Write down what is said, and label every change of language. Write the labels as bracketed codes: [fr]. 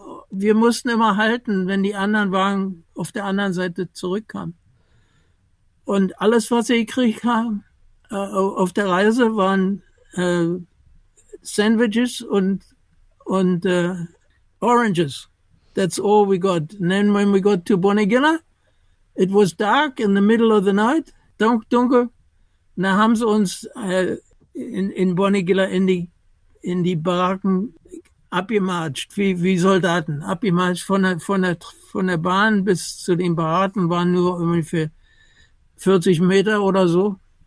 [de] Wir mussten immer halten, wenn die anderen Wagen auf der anderen Seite zurückkamen. Und alles, was ich gekriegt habe, auf der Reise, waren Sandwiches und Oranges. [en] That's all we got. And then when we got to Bonegilla, it was dark in the middle of the night, dunkel. [de] Da haben sie uns in Bonegilla in die Baracken abgematscht, wie Soldaten. Abgematscht von der Bahn bis zu den Baracken waren nur ungefähr 40 Meter oder so.